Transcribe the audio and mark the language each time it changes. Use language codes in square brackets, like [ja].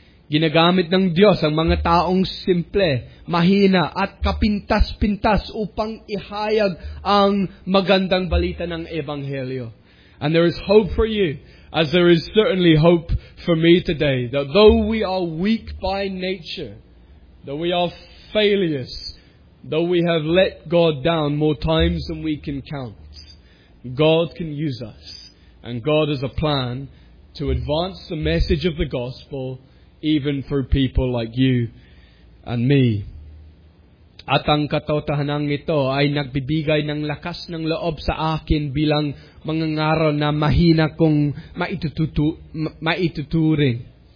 [tl] Ginagamit ng Diyos ang mga taong simple, mahina at kapintas-pintas upang ihayag ang magandang balita ng Ebanghelyo. [en] And there is hope for you, as there is certainly hope for me today, that though we are weak by nature, that we are failures, though we have let God down more times than we can count, God can use us, and God has a plan to advance the message of the gospel even through people like you and me. [tl] At ang katotohanan ito ay nagbibigay ng lakas ng loob sa akin bilang mangangaral na mahina kong maituturin.